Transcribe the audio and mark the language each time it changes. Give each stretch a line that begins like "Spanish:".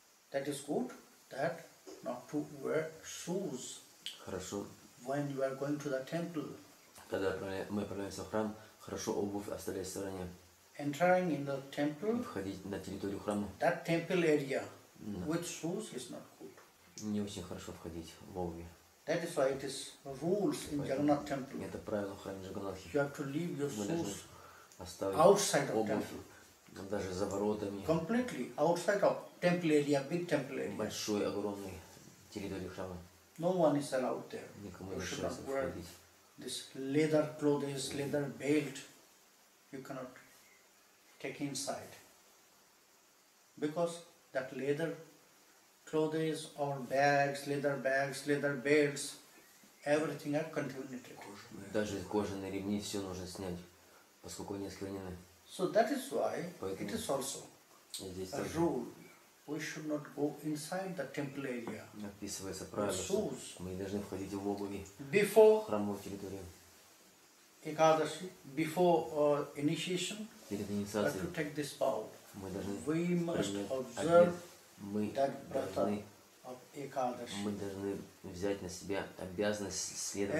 English: That is good. That not to wear shoes.
Russian: Хорошо.
English: When you are going to the temple.
Russian: Когда мы отправляемся в храм, хорошо обувь оставлять в стороне.
English: Entering in the temple.
Russian: Входить на территорию храма.
English: That temple area. With shoes is not good.
Russian: Не очень хорошо входить в обуви.
English: That is why it is rules in Jagannath temple.
Russian: Это правило в храме Джагнатхи.
English: You have to leave your shoes. outside of temple.
Russian: Даже за воротами.
English: Completely outside of temple area, big temple area.
Russian: Большой, огромный территорию храма.
English: No one is allowed there.
Russian: Никому не разрешается входить.
English: This leather clothes, leather belt, you cannot take inside. Because that leather clothes or bags, leather bags, leather belts, everything are contaminated.
Russian: Даже кожаные ремни все нужно снять, поскольку они осквернены.
English: So that is why it is also a rule. We should not go inside the temple area.
Russian: Написывается правило. Мы не должны входить в обуви.
English: Before
Russian: храмовую территорию.
English: Экадаши. Before initiation.
Russian: Перед инициацией.
English: To take this vow.
Russian: Мы должны.
English: We must observe that brata of Ekadashi.
Russian: Мы должны взять на себя обязанность следовать.